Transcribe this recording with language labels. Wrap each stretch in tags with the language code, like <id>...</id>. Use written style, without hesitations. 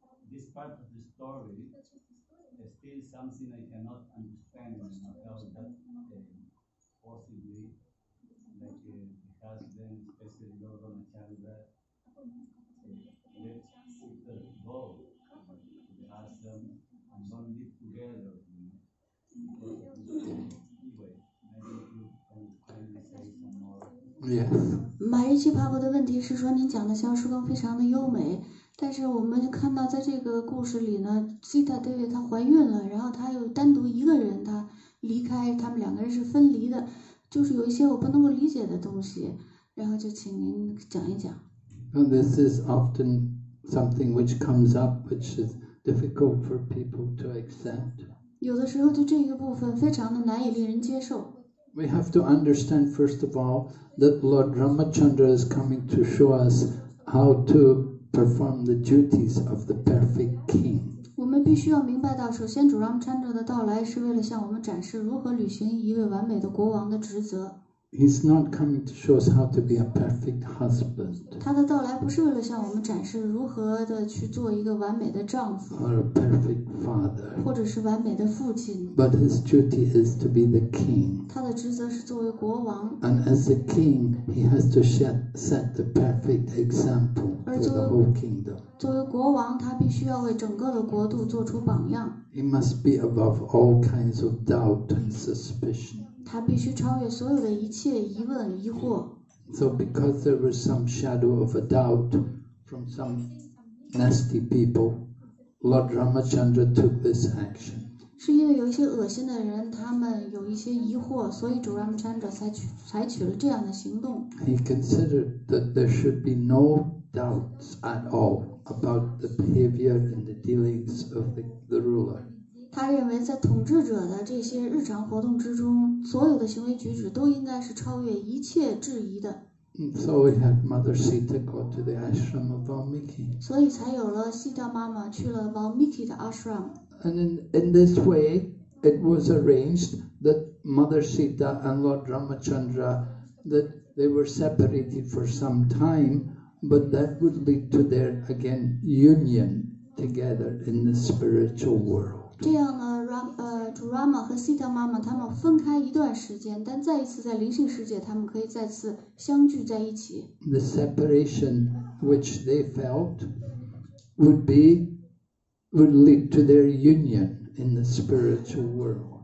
<en>This part of the story. There's still something I cannot understand about that possibly, like the husband, especially Lord Ramachandra, let Sita go to the ashram and don't live together. Anyway, maybe you can kindly say some more. Yes.</en> <zh>马日奇帕婆的问题是说，您讲的像书中非常的优美。但是我们看到在这个故事里呢 Sita Devi 她怀孕了，然后她又单独一个人，她离开，他们两个人是分离的，就是有一些我不能够理解的东西，然后就请您讲一讲。</zh> <en>And this is often something which comes up, which is difficult for people to accept.</en> <zh>有的时候就这一个部分非常的难以令人接受。</zh> <en>We have to understand first of all that Lord Ramachandra is coming to show us how to perform the duties of the perfect king.</en> <zh>我们必须要明白到，首先主 Ramachandra 的到来是为了向我们展示如何履行一位完美的国王的职责。</zh> <en>He's not coming to show us how to be a perfect husband.</en> <zh>他的到来不是为了向我们展示如何的去做一个完美的丈夫。</zh> <en>Or a perfect father.</en> <zh>或者是完美的父亲。</zh> <en>But his duty is to be the king.</en> <zh>他的职责是作为国王。</zh> <en>And as a king, he has to set the perfect example for the whole kingdom.</en> <zh>作为国王，他必须要为整个的国度做出榜样。</zh> <en>He must be above all kinds of doubt and suspicion.</en> <zh>他必须超越所有的一切疑问疑惑。</zh> <en>So because there was some shadow of a doubt from some nasty people, Lord Ramachandra took this action.</en> <zh>是因为有一些恶心的人，他们有一些疑惑，所以主 Ramachandra 采取了这样的行动。</zh> <en>He considered that there should be no doubts at all about the behavior and the dealings of the ruler.</en> <zh>他认为在统治者的这些日常活动之中，所有的行为举止都应该是超越一切质疑的。</zh> <en>So we had Mother Sita go to the ashram of Valmiki.</en> <zh>所以才有了西达妈妈去了 Valmiki 的 ashram.</zh> <en>And in this way, it was arranged that Mother Sita and Lord Ramachandra, that they were separated for some time, but that would lead to their again union together in the spiritual world.</en> <zh>这样呢，主 Rama 和 Sita 妈妈他们分开一段时间，但再一次在灵性世界，他们可以再次相聚在一起。</zh> <en>The separation which they felt would lead to their union in the spiritual world.</en>